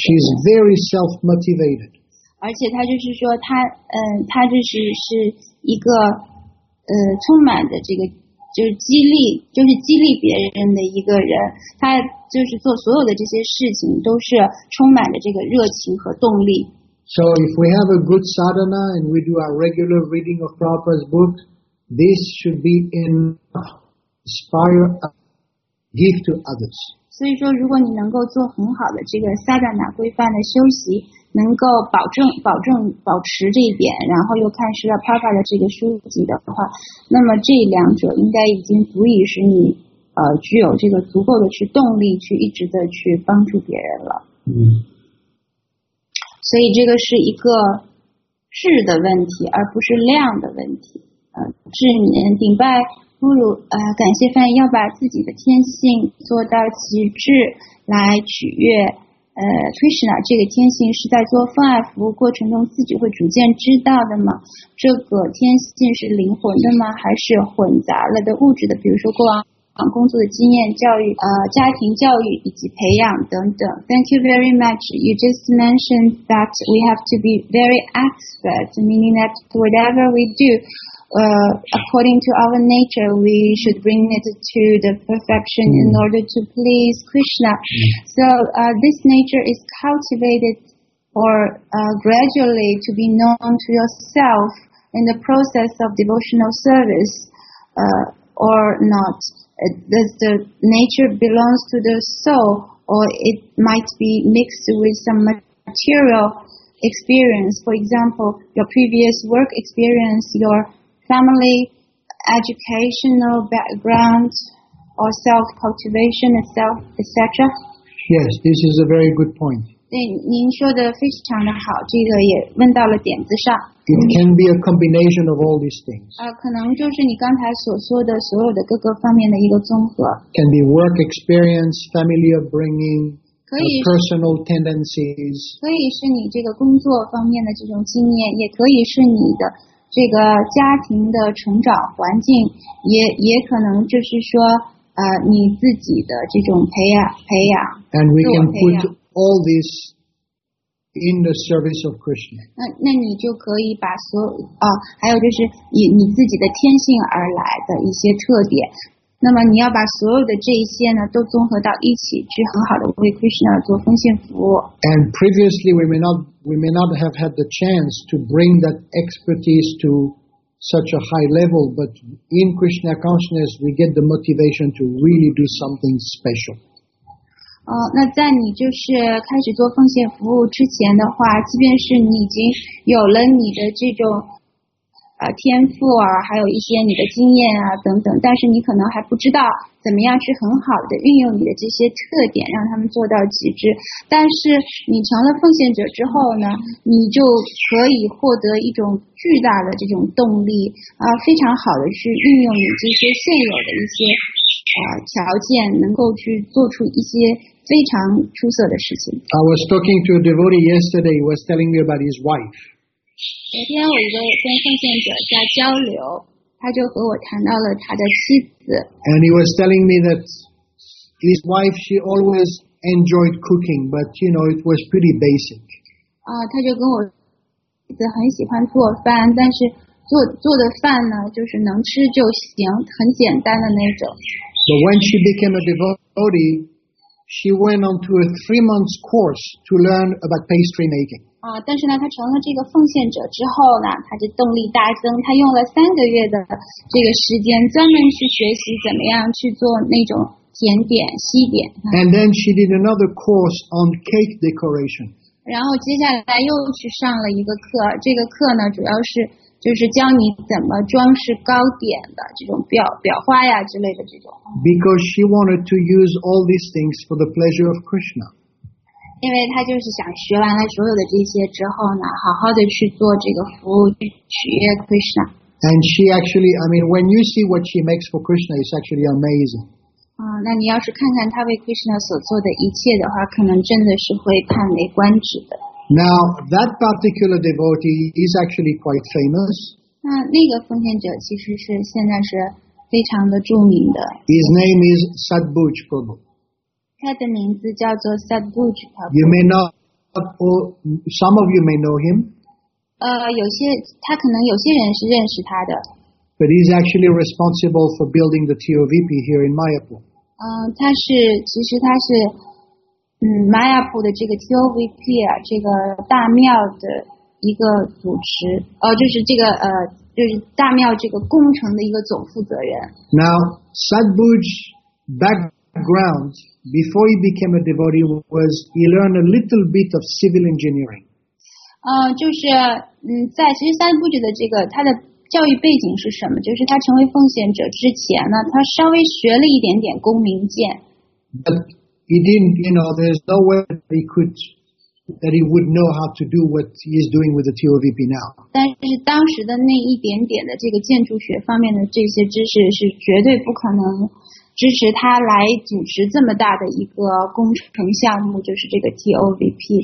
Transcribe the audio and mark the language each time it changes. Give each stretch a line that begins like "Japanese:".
English: She's very self-motivated.
Chinese: 而且他就是说他就是一个充满的这个。就是激励别人的一个人，他就是做所有的这些事情都是充满着这个热情和动力。
English: So if we have a good sadhana and we do our regular reading of Prabhupada's book, this should be inspire a gift to others.
Chinese: 所以说，如果你能够做很好的这个 sadhana 规范的修习，能够保持这一点，然后又看《Srila Prabhupada》的这个书籍的话，那么这两者应该已经足以使你具有这个足够的去动力去一直的去帮助别人了。所以这个是一个质的问题，而不是量的问题。智敏顶拜不如感谢翻译，要把自己的天性做到极致来取悦。 Krishna 这个天性是在做奉爱服务过程中自己会逐渐知道的吗？这个天性是灵魂的吗？还是混杂了的物质的？比如说过往工作的经验、教育、家庭教育以及培养等等。
English: Thank you very much. You just mentioned that we have to be very expert, meaning that whatever we do, according to our nature, we should bring it to the perfection in order to please Krishna. So, this nature is cultivated or gradually to be known to yourself in the process of devotional service, or not. Does the nature belongs to the soul, or it might be mixed with some material experience? For example, your previous work experience, your family, educational background, or self-cultivation itself, etc. Yes, this is a very good point.
Chinese: 您说的非常的好，这个也问到了点子上。
English: It can be a combination of all these things.
Chinese: 可能就是你刚才所说的所有的各个方面的一个综合。
English: Can be work experience, family upbringing, personal tendencies.
Chinese: 可以是你这个工作方面的这种经验，也可以是你的。这个家庭的成长环境也可能就是说你自己的这种培养
English: And we can put all this in the service of Krishna.
Chinese: 那你就可以把所有还有就是以你自己的天性而来的一些特点，那么你要把所有的这一些呢都综合到一起，去很好的为 Krishna 做奉献服务。
English: And previously we may not have had the chance to bring that expertise to such a high level, but in Krishna consciousness we get the motivation to really do something special.
Chinese: 那在你就是开始做奉献服务之前的话，即便是你已经有了你的这种天赋啊，还有一些你的经验啊等等，但是你可能还不知道怎么样去很好的运用你的这些特点，让他们做到极致。但是你成了奉献者之后呢，你就可以获得一种巨大的这种动力啊，非常好的去运用你这些现有的一些条件，能够去做出一些非常出色的事情。
English: I was talking to a devotee yesterday. He was telling me about his wife.
Chinese: 昨天我一个跟奉献者在交流，他就和我谈到了他的妻子。
English: And he was telling me that his wife, she always enjoyed cooking, but you know, it was pretty basic.
Chinese: 他就跟我妻子很喜欢做饭，但是做的饭呢，就是能吃就行，很简单的那种。
English: But when she became a devotee, she went on to a 3-month course to learn about pastry making.
Chinese: 但是呢，她成了这个奉献者之后呢，她就动力大增。她用了3个月的这个时间，专门去学习怎么样去做那种甜点、西点。
English: And then she did another course on cake decoration.
Chinese: 然后接下来又去上了一个课，这个课呢，主要是就是教你怎么装饰糕点的这种裱花呀之类的这种。
English: Because she wanted to use all these things for the pleasure of Krishna.
Chinese: 因为她就是想学完了所有的这些之后呢，好好的去做这个服务，去取悦 Krishna.
English: And she actually, I mean, when you see what she makes for Krishna, it's actually amazing.
Chinese: 那你要是看看她为 Krishna 所做的一切的话，可能真的是会叹为观止的。
English: Now, that particular devotee is actually quite famous.
Chinese: 那个奉献者其实是现在是非常的著名的。
English: His name is Sadbhuj Prabhu.
Chinese: 他的名字叫做 Sadbhuj Prabhu.
English: You may not, or some of you may know him.
Chinese: 他可能有些人是认识他的。
English: But he's actually responsible for building the TOVP here in Mayapur.
Chinese: 其实他是Mayapur 的这个 TOVP 啊，这个大庙的一个主持，就是大庙这个工程的一个总负责人。
English: Now, Sadbhuj's background before he became a devotee was he learned a little bit of civil engineering.
Chinese: 其实 Sadbhuj 的这个他的教育背景是什么？就是他成为奉献者之前呢，他稍微学了一点点公民建。
English: He didn't, you know, there's no way that that he would know how to do what he is doing with the TOVP now.
Chinese: 但是当时的那一点点的这个建筑学方面的这些知识是绝对不可能支持他来主持这么大的一个工程项目，就是这个 TOVP。